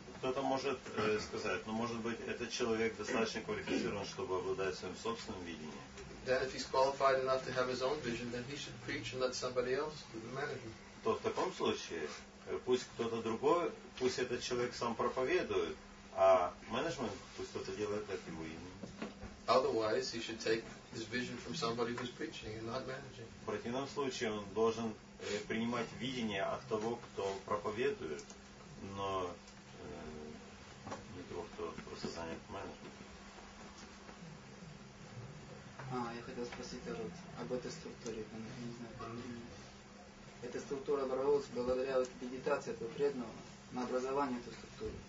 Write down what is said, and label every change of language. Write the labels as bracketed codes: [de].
[ru] Кто-то может сказать, но может быть этот человек достаточно квалифицирован, чтобы обладать своим собственным видением. [en] Then if he's qualified enough to have his own vision, then he should preach and let somebody else do the management. [ru] То в таком случае, пусть кто-то другой, пусть этот человек сам проповедует, а менеджмент пусть кто-то делает это ему имя. [en] Otherwise, he should take his vision from somebody who's preaching and not managing. [ru] В противном случае он должен принимать видение от того, кто проповедует, но не того, кто просто занят менеджментом. Я хотел спросить вот об этой структуре, там, я не знаю, эта структура образовалась благодаря вот медитации этого преданного на образование этой структуры.